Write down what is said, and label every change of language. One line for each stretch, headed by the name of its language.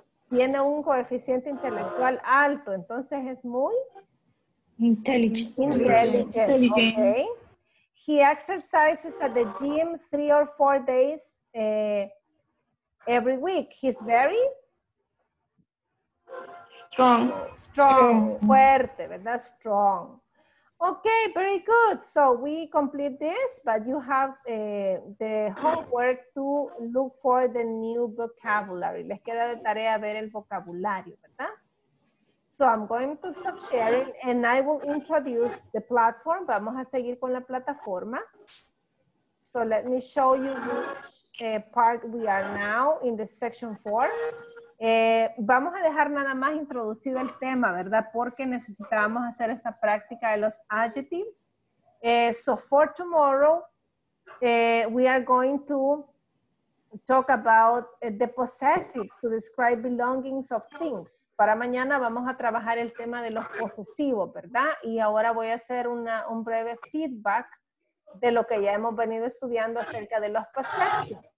Spanish: Tiene un coeficiente intelectual alto, entonces es muy
English: intelligent. Okay. He exercises at the gym 3 or 4 days every week. He's very strong. Strong,
Spanish: fuerte, ¿verdad?
English: Strong. Okay, very good. So we complete this, but you have the homework to look for the new vocabulary.
Spanish: Les queda de tarea ver el vocabulario, ¿verdad?
English: So I'm going to stop sharing and I will introduce the platform.
Spanish: Vamos a seguir con la plataforma.
English: So let me show you which part we are now in the section 4.
Spanish: Vamos a dejar nada más introducido el tema, ¿verdad? Porque necesitábamos hacer esta práctica de los adjectives.
English: So for tomorrow, we are going to talk about the possessives to describe belongings of things.
Spanish: Para mañana vamos a trabajar el tema de los posesivos, ¿verdad? Y ahora voy a hacer un breve feedback de lo que ya hemos venido estudiando acerca de los possessives.